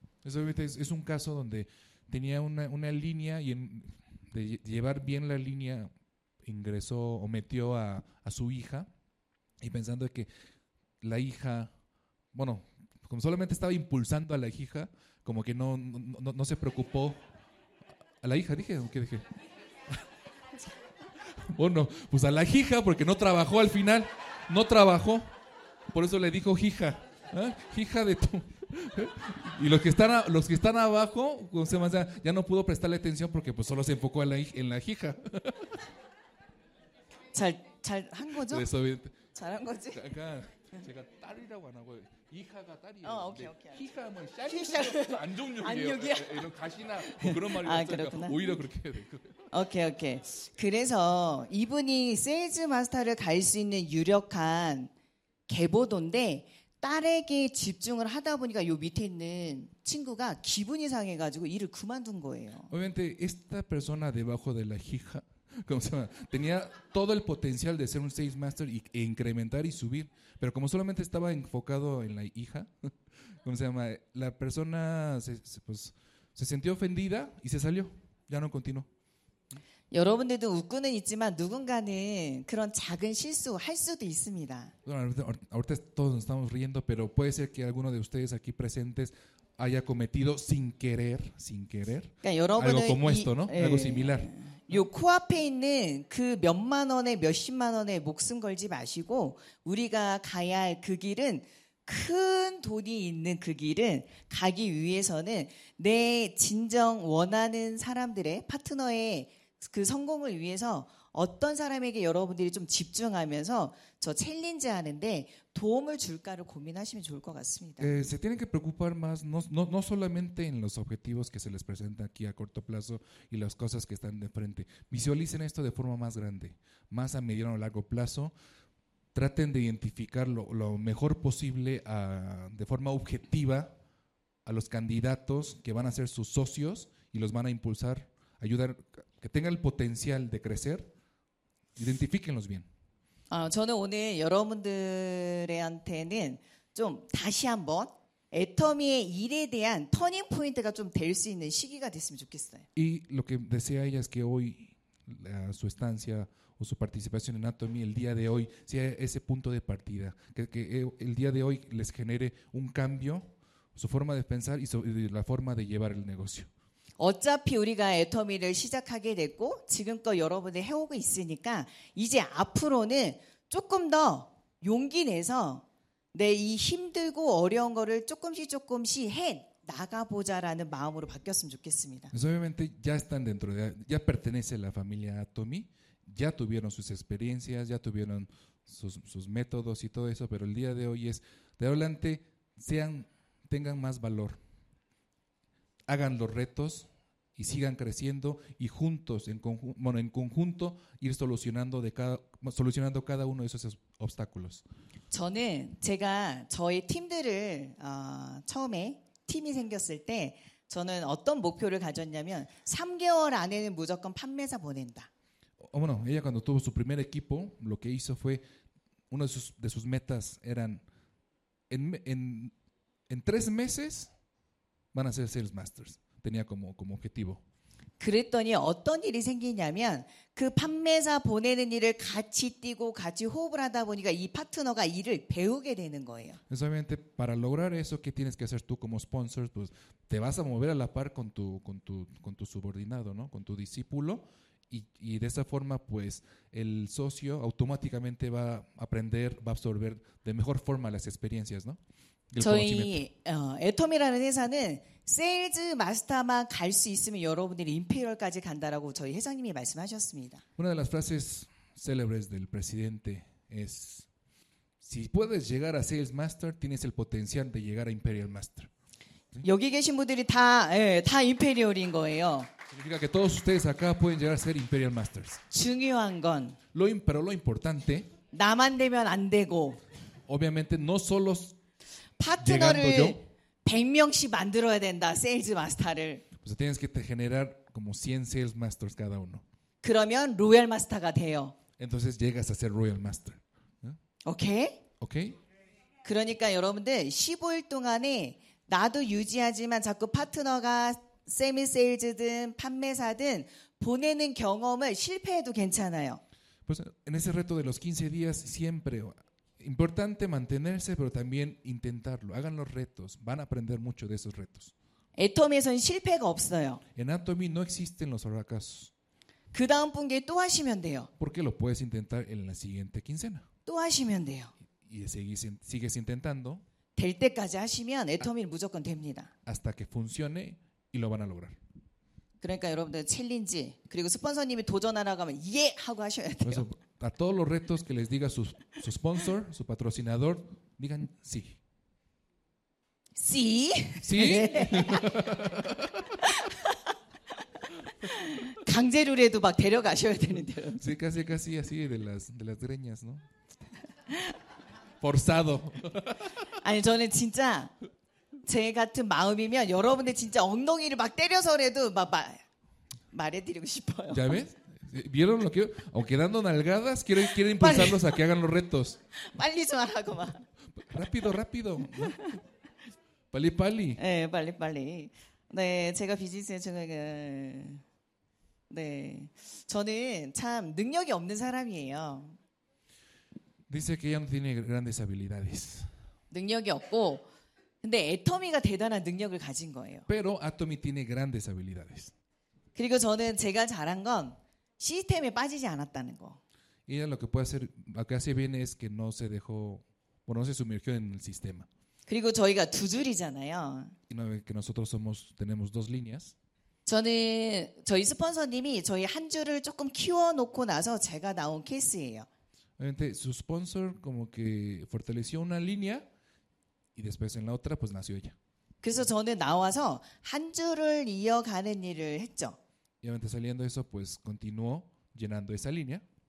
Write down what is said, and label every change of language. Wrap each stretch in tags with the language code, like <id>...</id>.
<es>Es un caso donde tenía una línea y de llevar bien la línea ingresó o metió a su hija y pensando que la hija, bueno, como solamente estaba impulsando a la hija, como que no se preocupó a la hija, dije, ¿o qué dije? Bueno, pues a la hija porque no trabajó al final, no trabajó, por eso le dijo hija, ¿eh? Hija de tu... Y los que están abajo, o sea, ya no pudo prestarle atención porque pues solo se enfocó en la hija.</es> <ko>잘한 거죠? 그래서 잘한 거지? 약간 제가 딸이라고 안 하고 이하가 딸이에요.</ko> <en>오케이.</en> <ko>히가 뭐 샤리샤 안 좋은 욕이에요. 이런 가시나 뭐 그런 말이 없으니까 오히려 그렇게 해야 돼요.</ko> <en>오케이.</en> <ko>그래서 이분이 세일즈 마스터를 갈 수 있는 유력한 계보도인데 딸에게 집중을 하다 보니까 요 밑에 있는 친구가 기분이 상해가지고 일을 그만둔 거예요.</ko> <es>Obviamente esta persona debajo de la hija como se llama, tenía todo el potencial de ser un sales master e incrementar y subir, pero como solamente estaba enfocado en la hija, como se llama, la persona se sintió ofendida y se salió, ya no continuó.</es> <ko>여러분들도 웃고는 있지만 누군가는 그런 작은 실수 할 수도 있습니다.</ko> <es>Ahorita todos estamos riendo, pero puede ser que alguno de ustedes aquí presentes haya cometido sin querer algo como esto, ¿no? Algo similar.</es> <ko>요 코앞에 있는 그 몇만 원에 몇십만 원에 목숨 걸지 마시고 우리가 가야 할 그 길은 큰 돈이 있는 그 길은 가기 위해서는 내 진정 원하는 사람들의 파트너의 그 성공을 위해서 어떤 사람에게 여러분들이 좀 집중하면서 저 챌린지 하는데 도움을 줄까를 고민하시면 좋을 것 같습니다.</ko> <es>Se tienen que preocupar más no solamente en los objetivos que se les presenta aquí a corto plazo y las cosas que están de frente. Visualicen esto de forma más grande, más a mediano o largo plazo. Traten de identificar lo mejor posible de forma objetiva a los candidatos que van a ser sus socios y los van a impulsar, ayudar que tengan el potencial de crecer. Identifíquenlos bien.</es> <ko>저는 오늘 여러분들한테는 좀 다시 한번 애터미의 일에 대한 터닝 포인트가 좀 될 수 있는 시기가 됐으면 좋겠어요.</ko> <es>Y lo que desea ella es que hoy su estancia o su participación en Atomy el día de hoy sea ese punto de partida, que el día de hoy les genere un cambio su forma de pensar y la forma de llevar el negocio.</es> <ko>어차피 우리가 애터미를 시작하게 됐고 지금껏 여러분들 해오고 있으니까 이제 앞으로는 조금 더 용기 내서 내 이 힘들고 어려운 거를 조금씩 조금씩 해 나가보자라는 마음으로 바뀌었으면 좋겠습니다.</ko> <es>Obviamente ya están dentro, ya pertenece a la familia Atomy, ya tuvieron sus experiencias, ya tuvieron sus métodos y todo eso, pero el día de hoy es de adelante sean tengan más valor, hagan los retos y sigan creciendo y juntos en conjunto ir solucionando cada uno de esos obstáculos.</es> <ko>저는 제가 저희 팀들을 처음에 팀이 생겼을 때 저는 어떤 목표를 가졌냐면 3개월 안에는 무조건 판매사 보낸다.</ko> <es>Bueno, ella cuando tuvo su primer equipo, lo que hizo fue una de sus metas eran en 3 meses van a ser sales masters. Tenía como objetivo.</es> <ko>그랬더니 어떤 일이 생기냐면 그 판매사 보내는 일을 같이 뛰고 같이 호흡을 하다 보니까 이 파트너가 일을 배우게 되는 거예요.</ko> <es>Precisamente para lograr eso que tienes que hacer tú como sponsor, pues te vas a mover a la par con tu subordinado, ¿no? Con tu discípulo y de esa forma pues el socio automáticamente va a aprender, va a absorber de mejor forma las experiencias, ¿no?</es> <ko>저희 애터미라는 회사는 세일즈 마스터만 갈 수 있으면 여러분들이 임페리얼까지 간다라고 저희 회장님이 말씀하셨습니다.</ko> <es>Una de las frases célebres del presidente es si puedes llegar a sales master tienes el potencial de llegar a imperial master.</es> <ko>여기 계신 분들이 다 임페리얼인 거예요.</ko> <es>Significa que todos ustedes acá pueden llegar a ser imperial masters.</es> <ko>중요한 건</ko> <es>lo importante</es> <ko>나만 되면 안 되고</ko> <es>obviamente no solo</es> <ko>파트너를 100명씩 만들어야 된다. 세일즈 마스터를.</ko> <es>Pues tienes que generar como 100 sales masters cada uno.</es> <ko>그러면 로얄 마스터가 돼요.</ko> <es>Entonces llegas a ser royal master.</es> <en>오케이? 오케이?</en> <ko>그러니까 여러분들 15일 동안에 나도 유지하지만 자꾸 파트너가 세미 세일즈든 판매사든 보내는 경험을 실패해도 괜찮아요.</ko> <es>Pues en ese reto de los 15 días siempre importante mantenerse, pero también intentarlo. Hagan los retos. Van a aprender mucho de esos retos.</es> <ko>Atomy에선 실패가 없어요.</ko> <es>En Atomy no existen los fracasos.</es> <ko>그 다음 분기에 또 하시면 돼요.</ko> <es>Porque lo puedes intentar en la siguiente quincena.</es> <ko>또 하시면 돼요.</ko> <es>Y sigues intentando.</es> <ko>될 때까지 하시면 Atomy 무조건 됩니다.</ko> <es>Hasta que funcione y lo van a lograr.</es> <ko>그러니까 여러분들 챌린지 그리고 스폰서님이 도전하라고 하면 예 하고 하셔야 돼요.</ko> <es>A todos los retos que les diga su sponsor, su patrocinador, digan sí. ¿Sí? ¿Sí?</es> <ko>강제룰에도 막 데려가셔야 되는데.</ko> <es>Sí, casi así de las greñas, ¿no? Forzado.</es> <ko>아니, 저는 진짜 제 같은 마음이면 여러분들 진짜 엉덩이를 막 때려서라도 말해드리고 싶어요.</ko> <es>¿Ya ves? ¿Vieron lo que yo? Aunque dando nalgadas, quiero impulsarlos a que hagan los retos. ¡Pali, se baja, coma! ¡Rápido, rápido! ¡Pali, pali! ¡Pali, pali! ¡Ne, chega, fijice, chega! ¡Ne! ¡Chone, cham! ¡Dungyogi, omne, saramiyeo! Dice que ya no tiene grandes habilidades. ¡Dungyogi, opo!</es> <ko>¡Ne, Atomy가 대단한 능력을 가진 거예요!</ko> <es>Pero Atomy tiene grandes habilidades.</es> <ko>그리고 저는 제가 잘한 건 시스템에 빠지지 않았다는 거.</ko> <es>Ella lo que puede hacer, lo que hace bien es que no se dejó, bueno, no se sumergió en el sistema.</es> <ko>그리고 저희가 두 줄이잖아요.</ko> <es>Y no, que nosotros tenemos dos líneas.</es> <ko>저는 저희 스폰서님이 저희 한 줄을 조금 키워놓고 나서 제가 나온 케이스예요.</ko> <es>Obviamente su sponsor como que fortaleció una línea y después en la otra pues nació ella.</es> <ko>그래서 저는 나와서 한 줄을 이어가는 일을 했죠.</ko> <es>Y obviamente saliendo eso, pues continuó llenando esa línea.</es>